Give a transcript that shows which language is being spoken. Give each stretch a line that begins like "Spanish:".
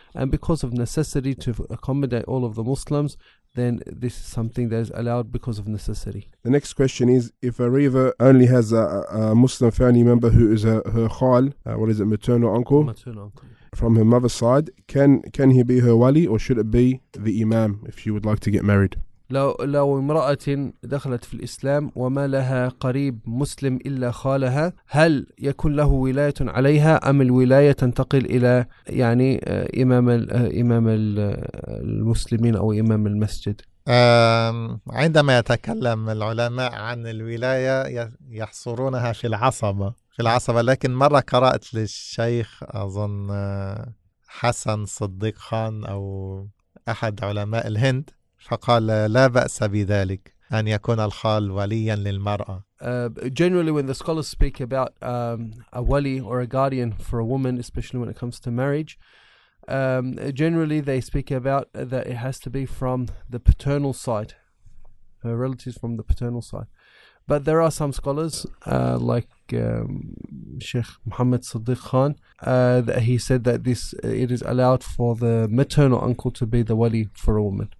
English: And because of necessity to accommodate all of the Muslims, then this is something that is allowed because of necessity. The next question is, if a river only has a Muslim family member who is her khal, what is it, maternal uncle. From her mother's side, can he be her wali, or should it be the imam if she would like to get married?
Arabic: لو امرأة دخلت في الإسلام وما لها قريب مسلم إلا خالها هل يكون له ولاية عليها أم الولاية تنتقل إلى يعني إمام المسلمين أو إمام المسجد؟ عندما يتكلم العلماء عن الولاية يحصرونها في العصبة. لكن مرة قرأت للشيخ أظن حسن صديق خان أو أحد علماء الهند فقال لا بأس بذلك أن يكون الخال وليا للمرأة.
English: Generally, when the scholars speak about a wali or a guardian for a woman, especially when it comes to marriage, generally they speak about that it has to be from the paternal side, her relatives from the paternal side. But there are some scholars like Sheikh Muhammad Sadiq Khan that he said that this it is allowed for the maternal uncle to be the wali for a woman.